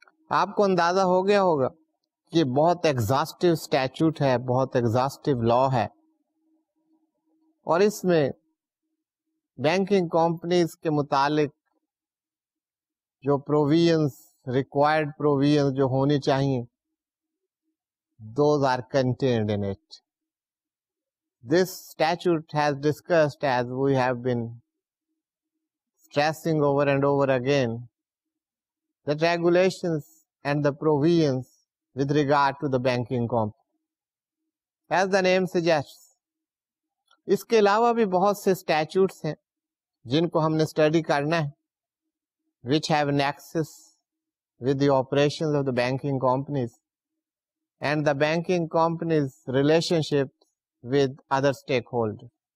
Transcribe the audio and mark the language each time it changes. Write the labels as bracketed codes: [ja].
[ur] آپ کو اندازہ ہو گیا ہوگا کہ بہت ایگزاسٹو اسٹیچوٹ ہے، بہت ایگزاسٹو لا ہے، اور اس میں بینکنگ کمپنیز کے متعلق جو پروویژنز، ریکوائرڈ پروویژنز جو ہونی چاہیے، [en] Those are contained in it. This statute has discussed as we have been stressing over and over again the regulations and the provisions with regard to the banking company. As the name suggests, [ur] اس کے علاوہ بھی بہت سے statutes ہیں جن کو ہم نے اسٹڈی کرنا ہے [en] which have an access with the operations of the banking companies and the banking companies' relationships with other stakeholders.